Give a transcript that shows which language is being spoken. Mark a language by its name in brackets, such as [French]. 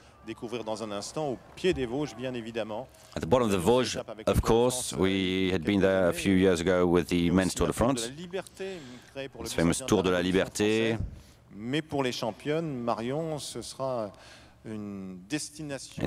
[French] Découvrir dans un instant au pied des Vosges, bien évidemment. [English] At the bottom of the Vosges, of course, we had been there a few years ago with the men's Tour de France. It's famous Tour de la Liberté. [French] Mais pour les championnes, Marion, ce sera une destination.